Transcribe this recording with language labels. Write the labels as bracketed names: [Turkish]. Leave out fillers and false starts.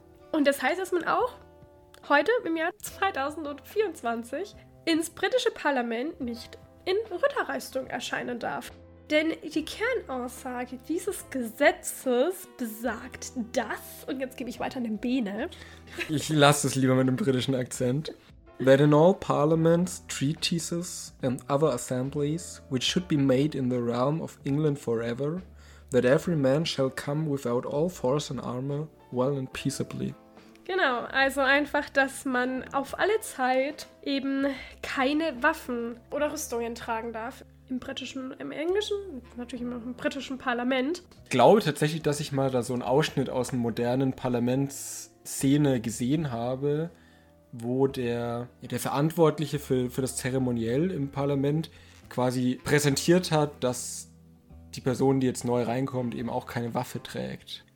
[German] Und das heißt, dass man auch heute im Jahr 2024 ins britische Parlament nicht in Ritterrüstung erscheinen darf. Denn die Kernaussage dieses Gesetzes besagt das, und jetzt gebe ich weiter an den Bene. Ich lasse es lieber mit dem britischen Akzent. [English] That in all parliaments, treatises and other assemblies, which should be made in the realm of England forever, that every man shall come without all force and armor, well and peaceably. [German] Genau, also einfach, dass man auf alle Zeit eben keine Waffen oder Rüstungen tragen darf. Im britischen, im englischen, natürlich immer im britischen Parlament. Ich glaube tatsächlich, dass ich mal da so einen Ausschnitt aus einer modernen Parlamentsszene gesehen habe, wo der Verantwortliche für das Zeremoniell im Parlament quasi präsentiert hat, dass die Person, die jetzt neu reinkommt, eben auch keine Waffe trägt.